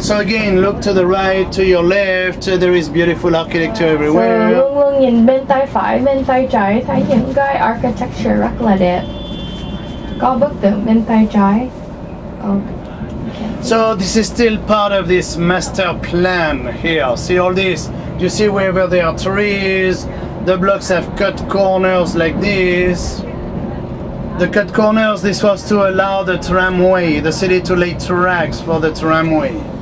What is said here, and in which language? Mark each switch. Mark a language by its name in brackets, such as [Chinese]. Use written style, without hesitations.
[English] So again, look to the right, to your left. There is beautiful architecture everywhere. [Vietnamese] So, luôn luôn nhìn bên tay phải, bên tay trái, thấy những cái architecture rất là đẹp. Có bức tượng bên tay trái. [English] So this is still part of this master plan here. See all this? You see wherever there are trees, the blocks have cut corners like this. The cut corners, this was to allow the tramway, the city to lay tracks for the tramway.